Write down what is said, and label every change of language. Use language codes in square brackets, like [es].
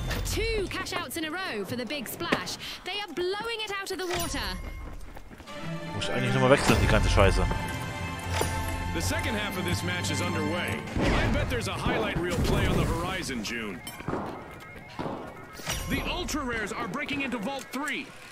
[en] Two cash-outs in a row for the big splash. They are blowing it out of the water. [de] Muss ich eigentlich nochmal wechseln, die ganze Scheiße. [en] The second half of this match is underway. I bet there's a highlight reel play on the horizon, June. The ultra rares are breaking into Vault 3.